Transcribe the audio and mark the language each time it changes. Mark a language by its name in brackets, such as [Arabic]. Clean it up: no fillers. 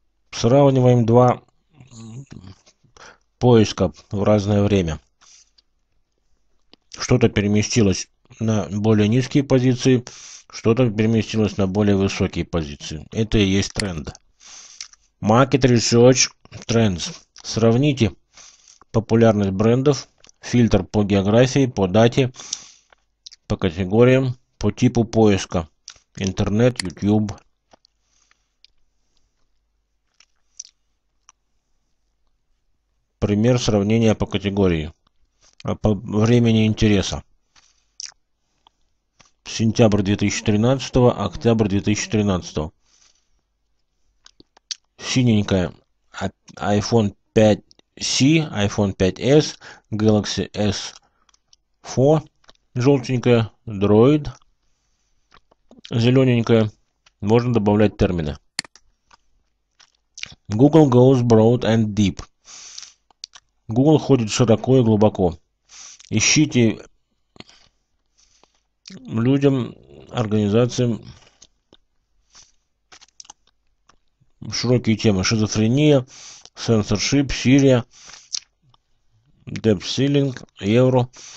[Russian] Сравниваем два поиска в разное время. Что-то переместилось на более низкие позиции, что-то переместилось на более высокие позиции. Это и есть тренд. [English] Market Research Trends. [Russian] Сравните популярность брендов, фильтр по географии, по дате, по категориям, по типу поиска. Интернет, YouTube. Пример сравнения по категории. По времени интереса. Сентябрь 2013, октябрь 2013. Синенькая iPhone 5C, iPhone 5S, Galaxy S4. Желтенькая Droid. Зелененькая. Можно добавлять термины. [English] Google goes broad and deep. [Russian] Google ходит широко и глубоко. Ищите людям, организациям широкие темы. Шизофрения, censorship, Сирия, depth ceiling, евро.